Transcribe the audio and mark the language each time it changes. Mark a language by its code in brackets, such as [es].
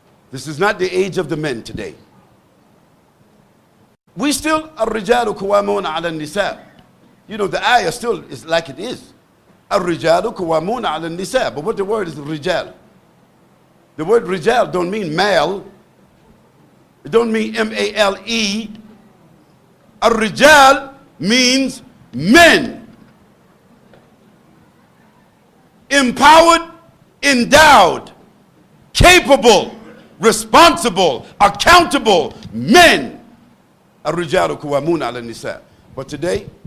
[en] This is not the age of the men today. We still [ar] الرجال قوامون على النساء. [en] You know the ayah still is like it is. [ar] الرجال قوامون على النساء. [en] But what the word is رجال? The word رجال don't mean male. It don't mean male. الرجال means men. Empowered, endowed, capable, responsible, accountable men. [ar] الرجال قوامون على النساء. [en] But today,